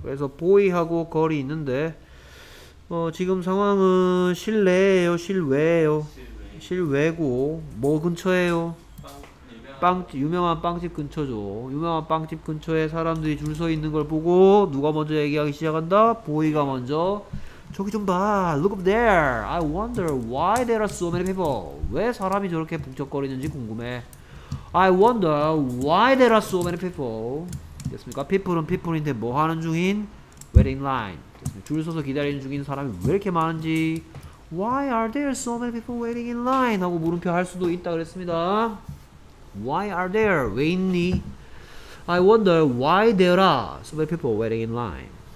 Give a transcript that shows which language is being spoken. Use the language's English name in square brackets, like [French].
[Korean] 그래서 보이하고 거리 있는데 지금 상황은 실내예요? 실외예요? 실외. 실외고 뭐 근처예요? 유명한 빵집 근처죠. 유명한 빵집 근처에 사람들이 줄 서 있는 걸 보고 누가 먼저 얘기하기 시작한다? 보이가 먼저 저기 좀 봐. [English] Look up there. I wonder why there are so many people. [Korean] 왜 사람이 저렇게 북적거리는지 궁금해. [English] I wonder why there are so many people. [Korean] 됐습니까? People은 people인데 뭐 하는 중인? [English] Waiting line. [Korean] 됐습니까? 줄 서서 기다리는 중인 사람이 왜 이렇게 많은지. [English] Why are there so many people waiting in line? [Korean] 하고 물음표 할 수도 있다 그랬습니다. [English] Why are there? [Korean] 왜 있니? [English] I wonder why there are so many people waiting in line.